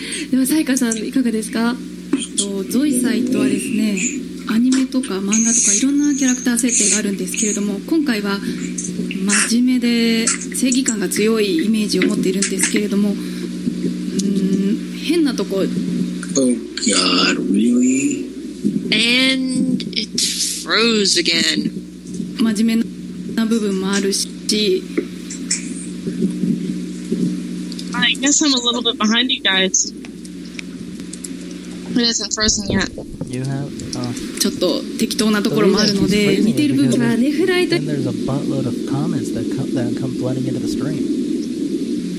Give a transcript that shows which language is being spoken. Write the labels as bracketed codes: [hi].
[ja] ではさいかさんいかがですか。ゾイサイとはですね、アニメとか漫画とかいろんなキャラクター設定があるんですけれども、今回は真面目で正義感が強いイメージを持っているんですけれども、うーん、変なとこ、 [en] Oh God, really? And it froze again. [ja] 真面目な部分もあるし、 [en] I guess I'm a little bit behind you guysIt hasn't frozen yet. You have, [ja] ちょっと適当なところもあるので、似てる部分はネフライト、まあ、役なんですけれども、私自身とは全然